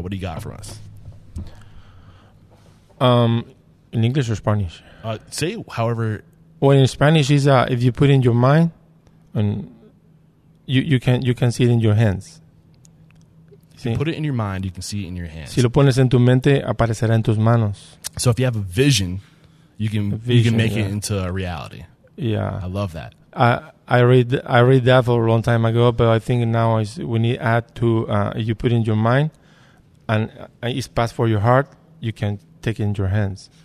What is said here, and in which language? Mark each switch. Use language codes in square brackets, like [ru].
[en] What do you got for us? In English or Spanish? Say however. Well, in Spanish is if you put it in your mind, and you can see it in your hands. See? If you put it in your mind, you can see it in your hands. [es] Si lo pones en tu mente, aparecerá en tus manos. [en] So if you have a vision, you can make it into a reality. Yeah, I love that. I read that for a long time ago, but I think now is we need add to you put it in your mind, and it's passed for your heart. You can take it in your hands.